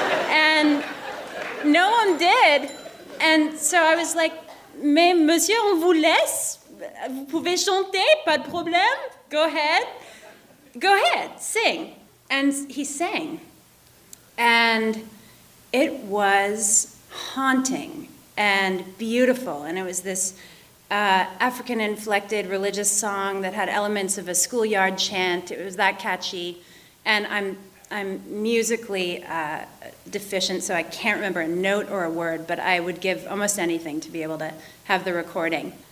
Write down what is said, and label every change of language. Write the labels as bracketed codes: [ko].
[en] And no one did. And so I was like, [fr] "Mais monsieur, on vous laisse? Vous pouvez chanter, pas de problème. [en] Go ahead. Go ahead, sing." And he sang. And it was haunting and beautiful. And it was this African-inflected religious song that had elements of a schoolyard chant. It was that catchy. And I'm musically deficient, so I can't remember a note or a word, but I would give almost anything to be able to have the recording.